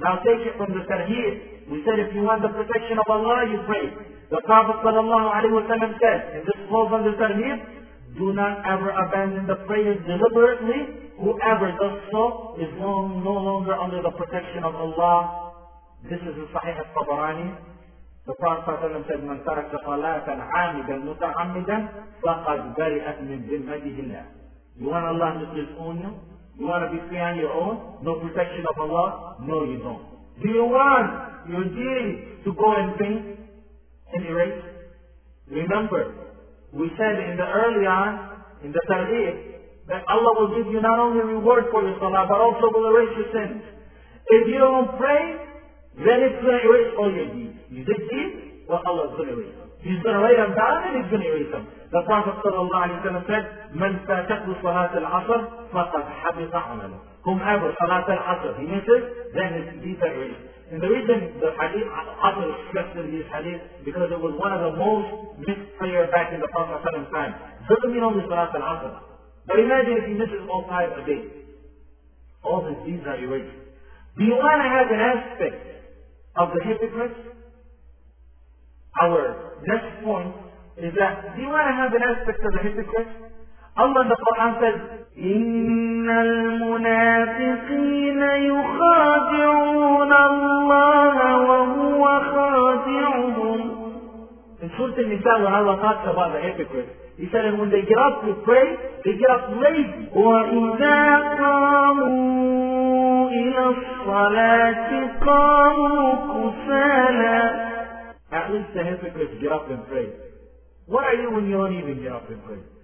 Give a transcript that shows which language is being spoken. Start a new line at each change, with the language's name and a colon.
English: Now take it from the tarheer. We said if you want the protection of Allah, you pray. The Prophet sallallahu alaihi wasallam said, and this falls under tarheer, do not ever abandon the prayer deliberately. Whoever does so is no longer under the protection of Allah. This is in Sahih al-Tabarani. The Prophet said,
Arabic: من ترك صلاة عامدا متعمدا فقد برئت من ذمته الله.
English: You want Allah to disown you? You want to be free on your own? No protection of Allah? No, you don't. Do you want your deen to go in vain? Any rate? Remember, we said in the early on, in the tarheer, that Allah will give you not only reward for your salah, but also will erase your sins. If you don't pray, then it's going to erase all your deeds. You did deeds, well, Allah is going to erase them. He's going to write them down and He's going to erase them. The Prophet sallallahu alaihi wasallam said,
Arabic: من فاتته صلاة العصر فقد حبط عمله.
English: Whomever صلاة العصر he misses, then his deeds are erased. And the reason the hadith, Abu stressed in this hadith, because it was one of the most missed prayers back in the Prophet's time. Doesn't mean only Salat al-Asr. But imagine if he misses all five a day. All his deeds are erased. Do you want to have an aspect of the hypocrites? Our next point is that, do you want to have an aspect of the hypocrites? Allah in the Quran says,
Arabic: إِنَّ الْمُنَافِقِينَ يُخَادِعُونَ اللَّهَ وَهُوَ خَادِعُهُمْ.
English: In Surah An-Nisa, when Allah talks about the hypocrites, He said, and when they get up to pray, they get up lazy.
Arabic: وَإِذَا قَامُوا إِلَى الصَّلَاةِ قَامُوا كُسَالَى.
English: At least the hypocrites get up and pray. What are you when you don't even get up and pray?